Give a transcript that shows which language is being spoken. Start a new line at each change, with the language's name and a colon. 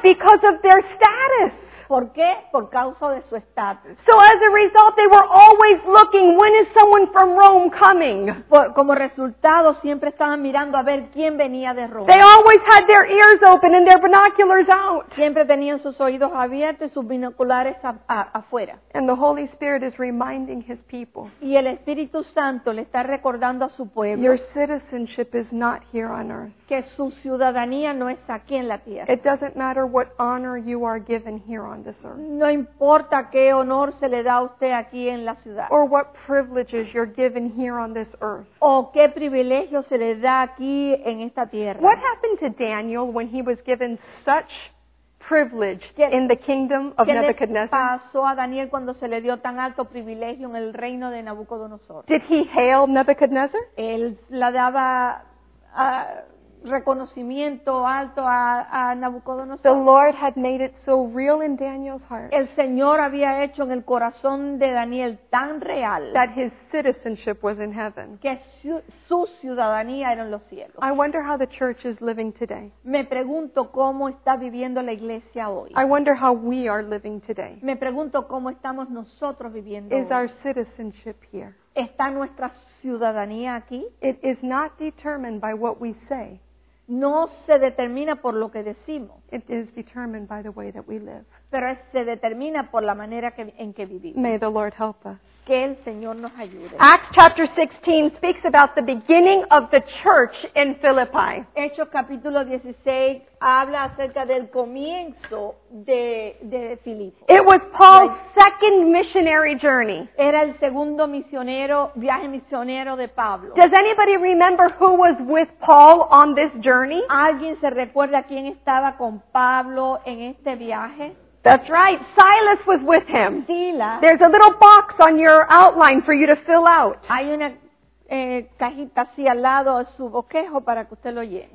English: Because of their status.
Spanish: ¿Por qué? Por causa de su estatus.
English: So as a result, they were always looking, when is someone from Rome coming?
Spanish: Como resultado, siempre estaban mirando a ver quién venía de Roma.
English: They always had their ears open and their binoculars out.
Spanish: Siempre tenían sus oídos abiertos y sus binoculares afuera.
English: And the Holy Spirit is reminding his people.
Spanish: Y el Espíritu Santo le está recordando a su pueblo.
English: Your citizenship is not here on earth.
Spanish: Que su ciudadanía no está aquí en la tierra.
English: It doesn't matter what honor you are given here.
Spanish: No importa qué honor se le da a usted aquí en la ciudad.
English: Or what privileges you're given here on this earth.
Spanish: O qué privilegio se le da aquí en esta tierra.
English: What happened to Daniel when he was given such privilege in the kingdom of Nebuchadnezzar?
Spanish: ¿Qué le pasó a Daniel cuando se le dio tan alto privilegio en el reino de Nabucodonosor?
English: Did he hail Nebuchadnezzar?
Spanish: Él la daba reconocimiento alto a Nabucodonosor.
English: The Lord had made it so real in Daniel's heart.
Spanish: El Señor había hecho en el corazón de Daniel tan real
English: that his citizenship was in heaven.
Spanish: Que su ciudadanía era en los cielos.
English: I wonder how the church is living today.
Spanish: Me pregunto cómo está viviendo la iglesia hoy.
English: I wonder how we are living today.
Spanish: Me pregunto cómo estamos nosotros viviendo
English: is
Spanish: hoy.
English: Our citizenship here?
Spanish: ¿Está nuestra ciudadanía aquí?
English: It is not determined by what we say.
Spanish: No se determina por lo que decimos.
English: It is determined by the way that we live.
Spanish: Pero se determina por la manera en que vivimos.
English: May the Lord help us.
Spanish: Que el Señor nos ayude.
English: Acts chapter 16 speaks about the beginning of the church in Philippi.
Spanish: Hechos capítulo 16 habla acerca del comienzo de Filipo.
English: It was Paul's second missionary journey.
Spanish: Era el segundo misionero, viaje misionero de Pablo.
English: Does anybody remember who was with Paul on this journey?
Spanish: ¿Alguien se recuerda quién estaba con Pablo en este viaje?
English: That's right. Silas was with him.
Spanish: Sila.
English: There's a little box on your outline for you to fill out.
Spanish: Hay una cajita así al lado de su bosquejo para que usted lo llene.